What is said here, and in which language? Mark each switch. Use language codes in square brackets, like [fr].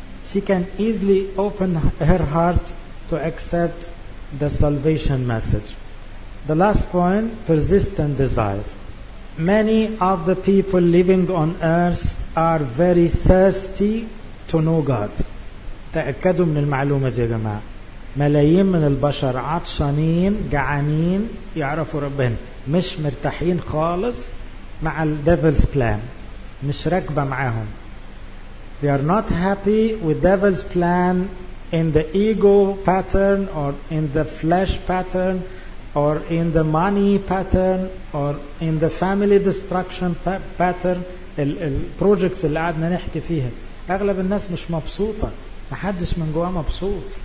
[en] she can easily open her heart to accept the salvation message. The last point, persistent desires. Many of the people living on earth are very thirsty to know God. [ar] تأكدوا من المعلومة يا جماعة. ملايين من البشر عطشانين جعانين يعرفوا ربهم، مش مرتاحين خالص مع الـ [en] devil's plan، [ar] مش راكبة معاهم. [en] They are not happy with devil's plan in the ego pattern or in the flesh pattern or in the money pattern or in the family destruction pattern. [ar] الـ projects اللي قعدنا نحكي فيها أغلب الناس مش مبسوطة، محدش من جواه مبسوط.